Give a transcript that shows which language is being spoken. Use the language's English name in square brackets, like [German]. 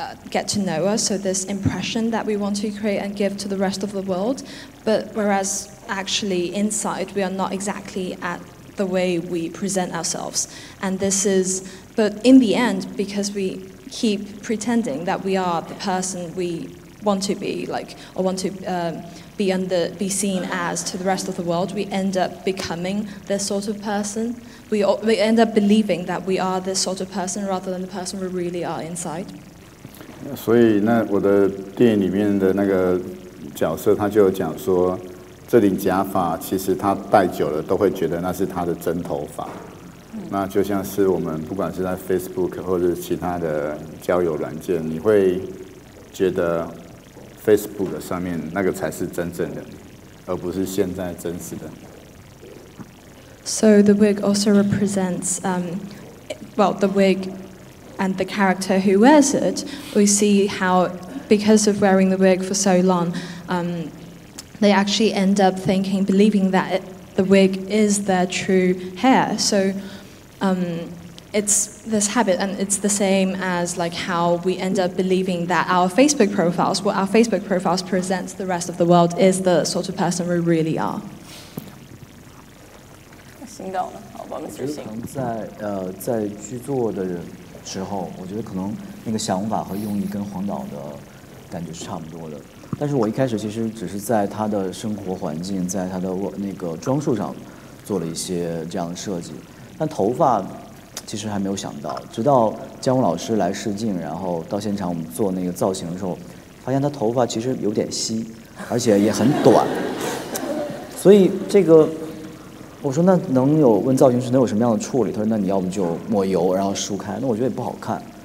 [English] get to know us, so this impression that we want to create and give to the rest of the world, but whereas actually inside we are not exactly at the way we present ourselves, and this is, but in the end, because we keep pretending that we are the person we want to be, like, or want to be seen as to the rest of the world, we end up becoming this sort of person. We end up believing that we are this sort of person rather than the person we really are inside. [Chinese] 所以那我的电影里面的那个角色他就有讲说，这顶假发其实他戴久了都会觉得那是他的真头发。那就像是我们不管是在 Facebook 或者其他的交友软件，你会觉得Facebook 上面那个才是真正的，而不是现在真实的。 [English] So the wig also represents, the wig and the character who wears it. We see how, because of wearing the wig for so long, they actually end up thinking, believing that the wig is their true hair. So, it's this habit, and it's the same as like how we end up believing that our Facebook profiles, what our Facebook profiles present the rest of the world, is the sort of person we really are. [Chinese] 行到了，好吧，我们执行。可能在剧作的时候，我觉得可能那个想法和用意跟黄导的感觉是差不多的。但是我一开始其实只是在他的生活环境，在他的那个装束上做了一些这样的设计，但头发其实还没有想到，直到姜武老师来试镜，然后到现场我们做那个造型的时候，发现他头发其实有点稀，而且也很短，所以这个我说那能有问造型师能有什么样的处理，他说那你要不就抹油然后梳开，那我觉得也不好看。